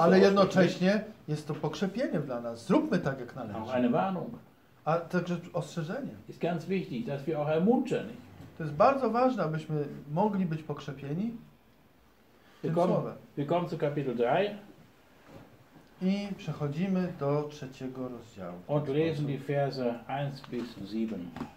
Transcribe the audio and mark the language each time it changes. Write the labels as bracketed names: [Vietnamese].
[Polish] Ale jednocześnie jest to pokrzepienie dla nas. Zróbmy tak, jak należy. [German] Auch eine Warnung. [Polish] A także ostrzeżenie. [German] Ist ganz wichtig, dass wir auch ermutigen. [Polish] To jest bardzo ważne, abyśmy mogli być pokrzepieni. [German] Willkommen zu Kapitel 3. [Polish] I przechodzimy do trzeciego rozdziału. [German] Und lesen die Verse 1 bis 7.